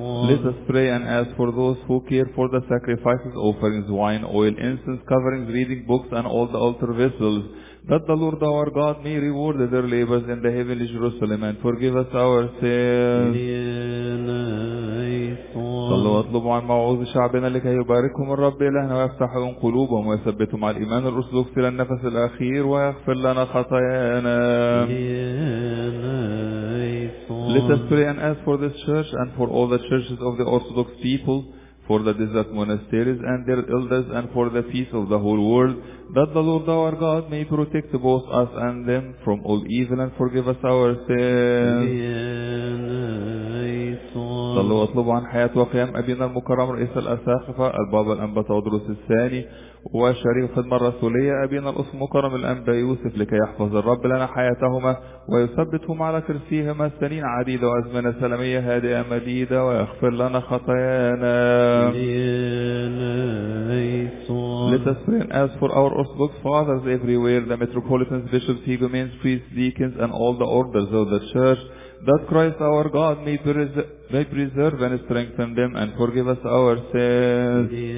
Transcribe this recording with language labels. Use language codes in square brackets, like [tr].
[en] Let us pray and ask for those who care for the sacrifices, offerings, wine, oil, incense, coverings, reading books, and all the altar vessels, that the Lord our God may reward their labors in the heavenly Jerusalem and forgive us our sins. [ar] صلوا واطلبوا عن موعوظ شعبنا لكي يباركهم الرب إلهنا ويفتح لهم قلوبهم ويثبتهم على الإيمان الأرثوذكس إلى النفس الأخير ويغفر لنا خطايانا. [en] Let us pray and ask for this church and for all the churches of the Orthodox people, for the desert monasteries and their elders, and for the peace of the whole world, that the Lord our God may protect both us and them from all evil and forgive us our sins. [ar] صلوا واطلبوا عن حياة وقيام أبينا المكرم رئيس الأساقفة البابا الأنبا تودروس الثاني وشريف الخدمة الرسولية أبينا الأس المكرم الأنبا يوسف لكي يحفظ الرب لنا حياتهما ويثبتهم على كرسيهما سنين عديدة وأزمنة سلمية هادئة مديدة ويغفر لنا خطايانا. [en] Let us pray and ask for our Orthodox fathers everywhere, the metropolitans, bishops, higumens, priests, deacons, and all the orders of the church, that Christ our God may preserve and strengthen them and forgive us our sins.